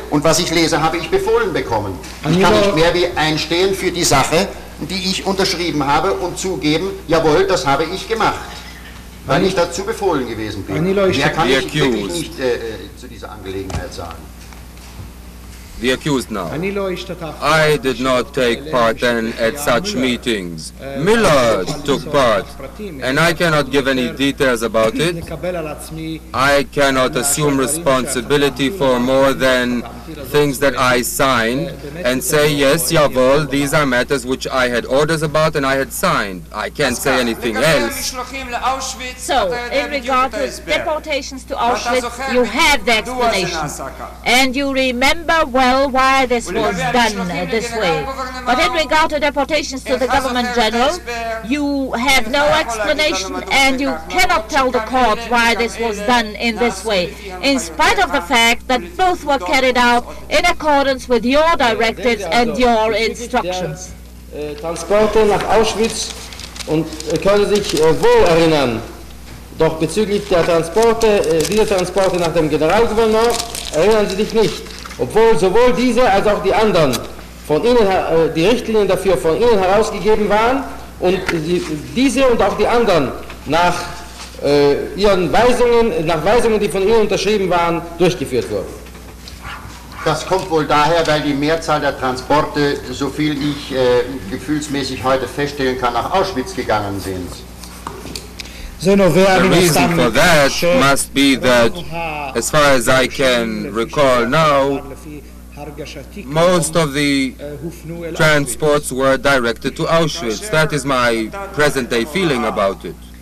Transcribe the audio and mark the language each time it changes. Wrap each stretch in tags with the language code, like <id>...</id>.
<de>Und was ich lese, habe ich befohlen bekommen. Ich kann nicht mehr wie einstehen für die Sache, die ich unterschrieben habe und zugeben, jawohl, das habe ich gemacht. Weil ich dazu befohlen gewesen bin. Mehr kann ich wirklich nicht zu dieser Angelegenheit sagen.</de> <en>The accused now. I did not take part then at such meetings. Miller took part, and I cannot give any details about it. I cannot assume responsibility for more than things that I signed and say, yes, jawohl, these are matters which I had orders about and I had signed. I can't say anything else. So, in regard to deportations to Auschwitz, you have the explanation. And you remember well why this was done this way. But in regard to deportations to the Government General, you have no explanation and you cannot tell the court why this was done in this way, in spite of the fact that both were carried out in accordance with your directives and your instructions.</en> <de>Transporte nach Auschwitz und können sich wohl erinnern, doch bezüglich der Transporte, dieser Transporte nach dem Generalgouverneur, erinnern Sie sich nicht. Obwohl sowohl diese als auch die anderen von Ihnen, die Richtlinien dafür von Ihnen herausgegeben waren und diese und auch die anderen nach Ihren Weisungen, nach Weisungen, die von Ihnen unterschrieben waren, durchgeführt wurden. Das kommt wohl daher, weil die Mehrzahl der Transporte, so viel ich gefühlsmäßig heute feststellen kann, nach Auschwitz gegangen sind.</de> <en>The reason for that must be that, as far as I can recall now, most of the transports were directed to Auschwitz. That is my present-day feeling about it.</en>